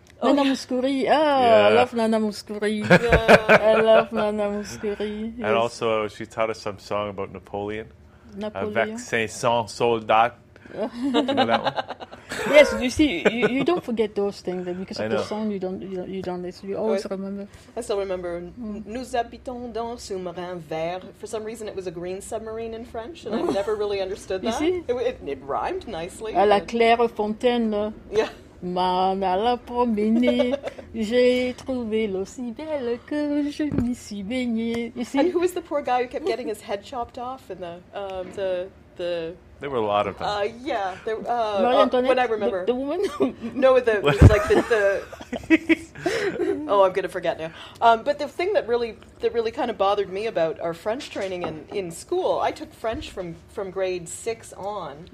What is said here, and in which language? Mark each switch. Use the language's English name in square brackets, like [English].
[English] Oh. Nana Mouskouri, I love Nana Mouskouri. Yeah. I love Nana Mouskouri. Yes. And also, she taught us some song about Napoleon. Napoleon. [French] Avec 500 soldats. [English] You know that one? Yes, you see, you don't forget those things, because of the song, you don't listen. You always remember. I still remember, [French] nous habitons dans sous-marin vert. [English] For some reason, it was a green submarine in French, and I've never really understood that. You see? It rhymed nicely. [French] À la claire fontaine. [English] Yeah. [French] M'en alla promener, j'ai trouvé l'eau si belle que je m'y suis baignée. [English] You see? And who was the poor guy who kept getting his head chopped off in the... There were a lot of them. Marie Antoinette, when I remember. The woman? No, the like the oh, I'm going to forget now. But the thing that really kind of bothered me about our French training in school, I took French from grade 6 on,